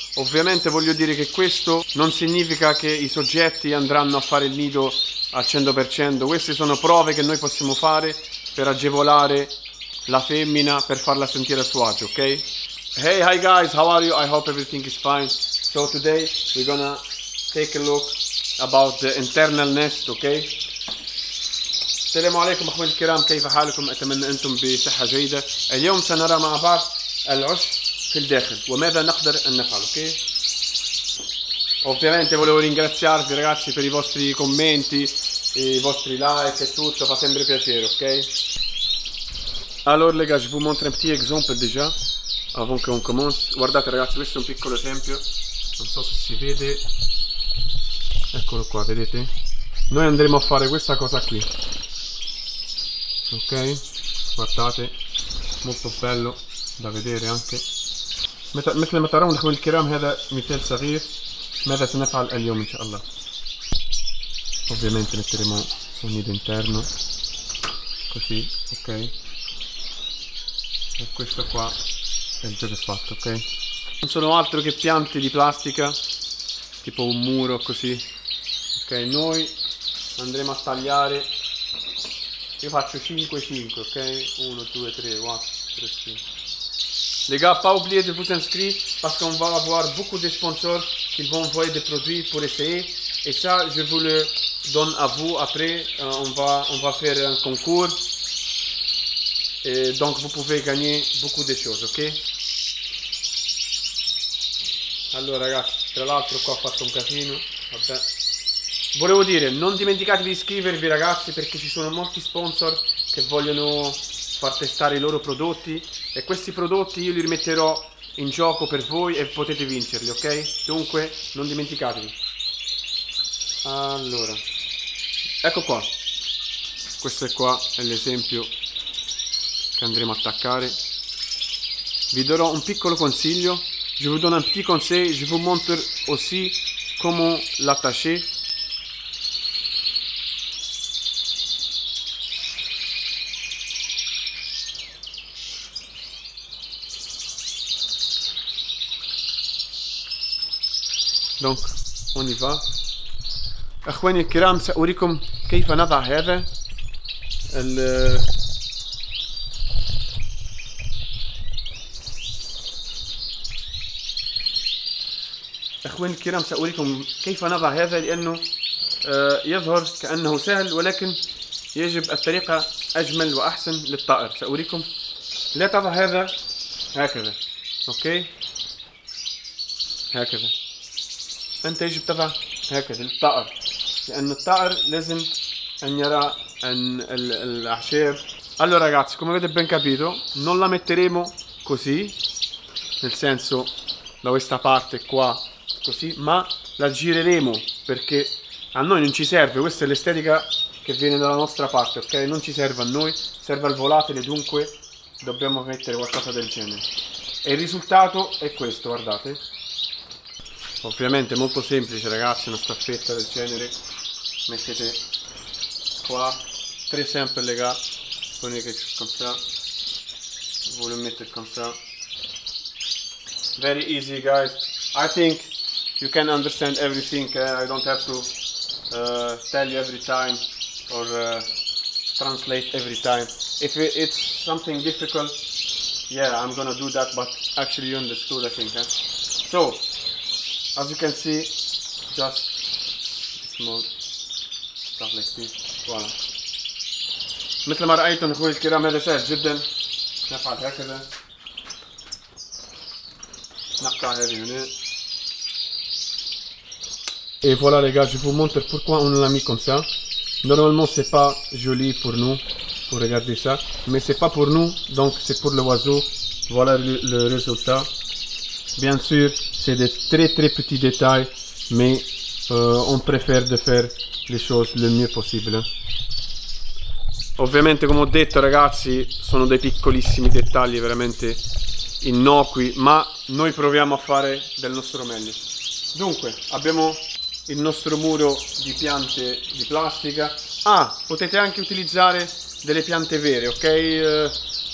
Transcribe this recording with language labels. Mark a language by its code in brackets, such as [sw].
[it] Ovviamente voglio dire che questo non significa che i soggetti andranno a fare il nido al 100%. Queste sono prove che noi possiamo fare per agevolare la femmina, per farla sentire a suo agio, ok? [en] Hey, hi guys, how are you? I hope everything is fine. So today we're gonna take a look about the internal nest, okay? [ar] السلام عليكم أخواني الكرام، كيف حالكم؟ أتمنى أنتم بصحة جيدة. اليوم سنرى مع بعض العش في الداخل وماذا نقدر أن نفعل، اوكي؟ [it] Ovviamente volevo ringraziarvi ragazzi per i vostri commenti, i vostri like e tutto, fa sempre piacere, ok? [fr] Allora, les gars, je vous montre un petit exemple déjà. Avant qu'on commence, [it] guardate ragazzi, questo è un piccolo esempio, non so se si vede, eccolo qua, vedete? Noi andremo a fare questa cosa qui, ok? Guardate, molto bello da vedere anche. [ar] مثل ما ترون اخوان الكرام هذا مثال صغير ماذا سنفعل اليوم ان شاء الله. [it] Ovviamente metteremo un nido interno così, ok? E questo qua è già fatto, ok? Non sono altro che piante di plastica, tipo un muro così. Ok, noi andremo a tagliare. Io faccio 5-5, ok? 1, 2, 3, 4, 3, 5. [fr] Les gars, pas oublier de vous inscrire parce qu'on va avoir beaucoup de sponsors qui vont envoyer des produits pour essayer. Et ça, je vous le donne à vous après. On va faire un concours. Et donc vous pouvez gagner beaucoup de choses, ok? [it] Allora ragazzi, tra l'altro qua ho fatto un casino, vabbè. Volevo dire, non dimenticatevi di iscrivervi ragazzi perché ci sono molti sponsor che vogliono far testare i loro prodotti e questi prodotti io li rimetterò in gioco per voi e potete vincerli, ok? Dunque, non dimenticatevi. Allora, ecco qua. Questo è qua, è l'esempio che andremo a attaccare. Vi darò un piccolo consiglio. [fr] Je vous donne un petit conseil, je vous montre aussi comment l'attacher. Donc, on y va. [ar] اخواني الكرام سأريكم كيف نضع هذا. اخواني الكرام سأريكم كيف نضع هذا لانه يظهر كانه سهل ولكن يجب الطريقة اجمل واحسن للطائر. سأريكم لا تضع هذا هكذا. اوكي؟ هكذا. انت يجب تضع هكذا للطائر لان الطائر لازم ان يرى ان الاعشاب. [it] Allora ragazzi, come avete ben capito, non la metteremo così, nel senso da questa parte qua così, ma la gireremo perché a noi non ci serve, questa è l'estetica che viene dalla nostra parte, ok? Non ci serve a noi, serve al volatile, dunque dobbiamo mettere qualcosa del genere. E il risultato è questo, guardate. Ovviamente molto semplice ragazzi, una staffetta del genere, mettete qua, tre sempre legati, ponete che c'è con ça, voglio mettere con ça, [en] Very easy, guys. I think you can understand everything. I don't have to tell you every time or translate every time. If it's something difficult, yeah, I'm gonna do that, but actually you understood, I think. So, as you can see, just small stuff like this. [fr] Voilà. [ar] مثل ما رأيتم أخوي الكرام هذا سهل جدا نفعل هكذا نقطع هذه هنا [fr] Et voilà les gars, je vous montre pourquoi on l'a mis comme ça. Normalement, c'est pas joli pour nous, pour regarder ça. Mais c'est pas pour nous, donc c'est pour l'oiseau. Voilà le résultat. Bien sûr, c'est des très très petits détails, mais on préfère de faire les choses le mieux possible. [it] Ovviamente, come ho detto, ragazzi, sono dei piccolissimi dettagli, veramente innocui, ma noi proviamo a fare del nostro meglio. Dunque, abbiamo il nostro muro di piante di plastica. Ah, potete anche utilizzare delle piante vere, ok?